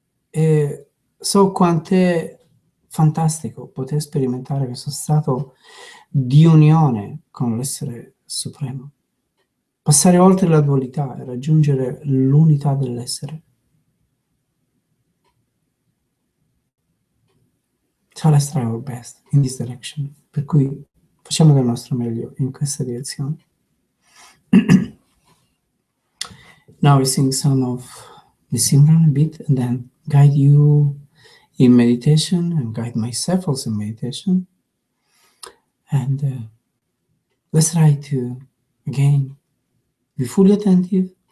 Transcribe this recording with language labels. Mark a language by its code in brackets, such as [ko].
[it] E so quant'è fantastico poter sperimentare questo stato di unione con l'essere supremo. Passare oltre la dualità e raggiungere l'unità dell'essere. [en] So let's try our best in this direction. [it] Per cui facciamo del nostro meglio in questa direzione. [en] Now we sing some of the Simran a bit and then guide you in meditation and guide myself also in meditation. And let's try to, again, be fully attentive.